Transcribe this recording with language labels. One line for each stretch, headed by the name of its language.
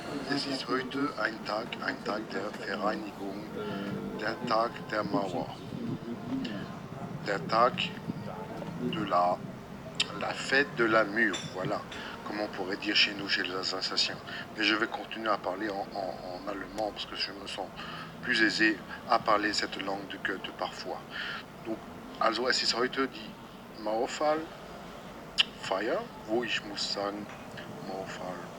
German: Es ist heute ein Tag der Vereinigung, der Tag der Mauer. Der Tag
French: de la fête de la mur, voilà. Comme on pourrait dire chez nous, chez les Alsaciens. Mais je vais continuer à parler en allemand parce que je me sens plus aisé à parler cette langue de Goethe parfois. Donc,
German: also es ist heute die Mauerfall, Feier, wo ich muss sagen, Mauerfall.